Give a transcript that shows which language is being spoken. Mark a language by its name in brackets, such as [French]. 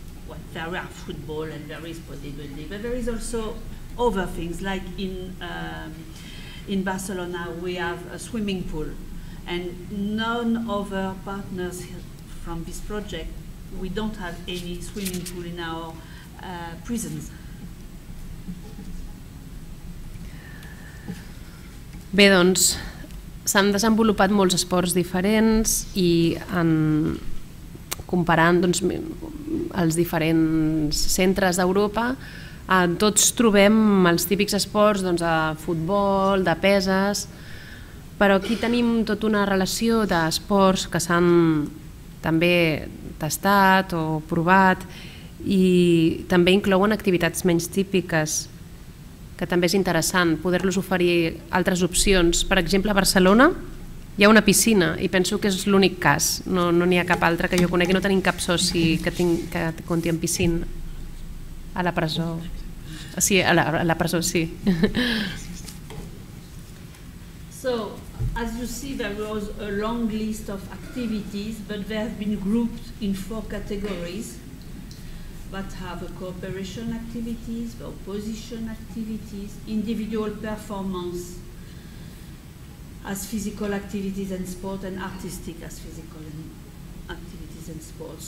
[English] what there are football and there is bodybuilding, but there is also other things, like in Barcelona we have a swimming pool, and none of our partners from this project, we don't have any swimming pool in our prisons. [Catalan] Bé, doncs, s'han desenvolupat molts esports diferents i en comparant doncs, els diferents centres d'Europa, tots trobem els típics esports doncs, de futbol, de peses, però aquí tenim tota una relació d'esports que s'han també tastat o provat i també inclouen activitats menys típiques, que també és interessant poder-los oferir altres opcions. Per exemple, a Barcelona hi ha una piscina i penso que és l'únic cas, no n'hi ha cap altre que jo conegui, no tenim cap soci que compti amb piscina a la presó. Sí, a la presó, sí. [English] So, as you see, there was a long list of activities, but they have been grouped in four categories. That have a cooperation activities, the opposition activities, individual performance as physical activities and sport, and artistic as physical activities and sport.